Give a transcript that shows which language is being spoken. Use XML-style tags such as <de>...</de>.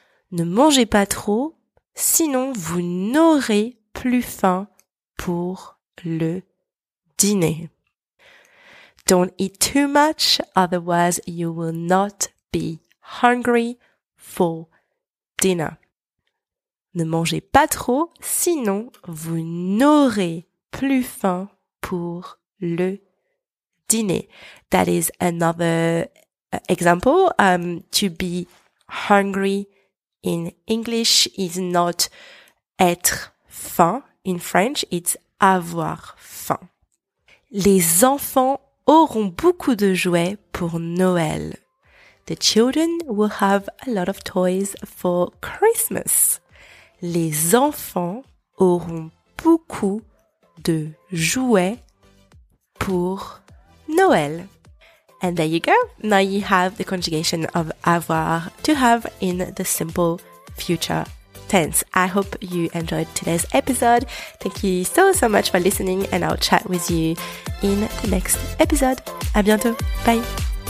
<fr>Ne mangez pas trop, sinon vous n'aurez plus faim pour le dîner.</fr> <en>Don't eat too much, otherwise you will not be hungry for dinner.</en> <fr>Ne mangez pas trop, sinon vous n'aurez plus faim pour le dîner.</fr> <en>That is another example. To be hungry in English is not</en> <fr>être faim.</fr> <en>In French, it's</en> <fr>avoir faim. Les enfants auront beaucoup de jouets pour Noël.</fr> <en>The children will have a lot of toys for Christmas.</en> <fr>Les enfants auront beaucoup de jouets pour Noël.</fr> <en>And there you go. Now you have the conjugation of avoir to have in the simple future tense. I hope you enjoyed today's episode. Thank you so, so much for listening, and I'll chat with you in the next episode.</en> <fr>À bientôt.</fr> <en>Bye.</en>